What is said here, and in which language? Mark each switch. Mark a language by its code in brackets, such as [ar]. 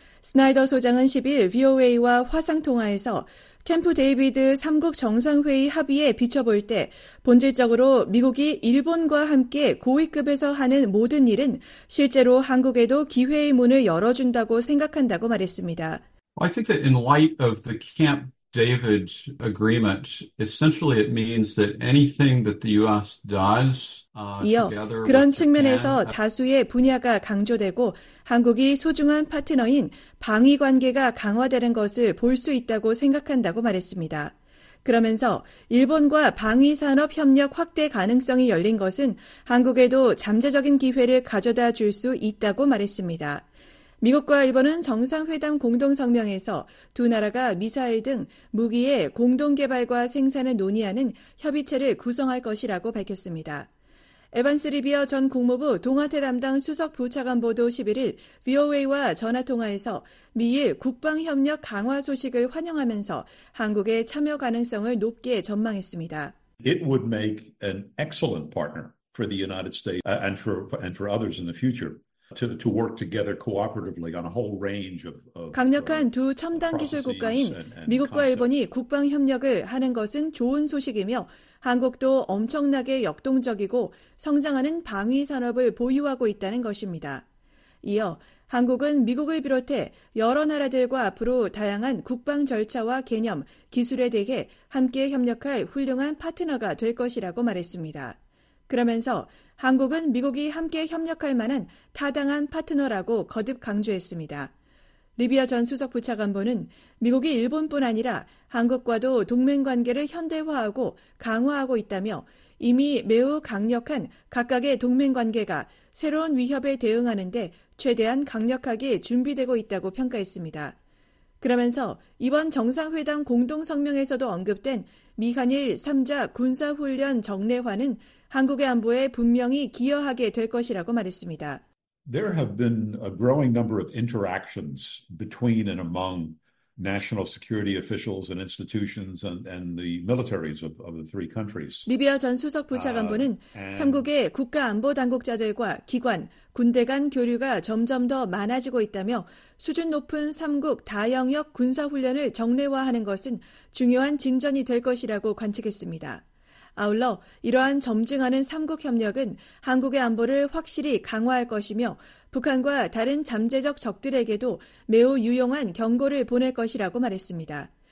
[ko] 스나이더 소장은 10일 VOA와 화상통화에서 캠프 데이비드 3국 정상회의 합의에 비춰볼 때 본질적으로 미국이 일본과 함께 고위급에서 하는 모든 일은 실제로 한국에도 기회의 문을 열어준다고 생각한다고 말했습니다. [en] I think that in light of the Camp David agreement, essentially it means that anything that the U.S. does [ko] 이어 그런 측면에서 다수의 분야가 강조되고 한국이 소중한 파트너인 방위 관계가 강화되는 것을 볼 수 있다고 생각한다고 말했습니다. 그러면서 일본과 방위 산업 협력 확대 가능성이 열린 것은 한국에도 잠재적인 기회를 가져다 줄 수 있다고 말했습니다. 미국과 일본은 정상회담 공동성명에서 두 나라가 미사일 등 무기의 공동개발과 생산을 논의하는 협의체를 구성할 것이라고 밝혔습니다. 에반스 리비어 전 국무부 동아태 담당 수석 부차관 보도 11일 VOA와 전화통화에서 미일 국방협력 강화 소식을 환영하면서 한국의 참여 가능성을 높게 전망했습니다. [en] It would make an excellent partner for the United States and for others in the future. To work together cooperatively on a whole range of [ko] 강력한 두 첨단 기술 국가인 미국과 일본이 국방 협력을 하는 것은 좋은 소식이며 한국도 엄청나게 역동적이고 성장하는 방위 산업을 보유하고 있다는 것입니다. 이어 한국은 미국을 비롯해 여러 나라들과 앞으로 다양한 국방 절차와 개념, 기술에 대해 함께 협력할 훌륭한 파트너가 될 것이라고 말했습니다. 그러면서 한국은 미국이 함께 협력할 만한 타당한 파트너라고 거듭 강조했습니다. 리비아 전 수석 부차관보는 미국이 일본뿐 아니라 한국과도 동맹관계를 현대화하고 강화하고 있다며 이미 매우 강력한 각각의 동맹관계가 새로운 위협에 대응하는 데 최대한 강력하게 준비되고 있다고 평가했습니다. 그러면서 이번 정상회담 공동성명에서도 언급된 미-한일 3자 군사훈련 정례화는 한국의 안보에 분명히 기여하게 될 것이라고 말했습니다. [en] There have been a growing number of interactions between and among national security officials and institutions and the militaries of the three countries. [ko] 리비아 전 수석 부차관보는 3국의 국가 안보 당국자들과 기관, 군대 간 교류가 점점 더 많아지고 있다며 수준 높은 3국 다영역 군사 훈련을 정례화하는 것은 중요한 진전이 될 것이라고 관측했습니다. 아울러 이러한 점증하는 3국 협력은 한국의 안보를 확실히 강화할 것이며 북한과 다른 잠재적 적들에게도 매우 유용한 경고를 보낼 것이라고 말했습니다.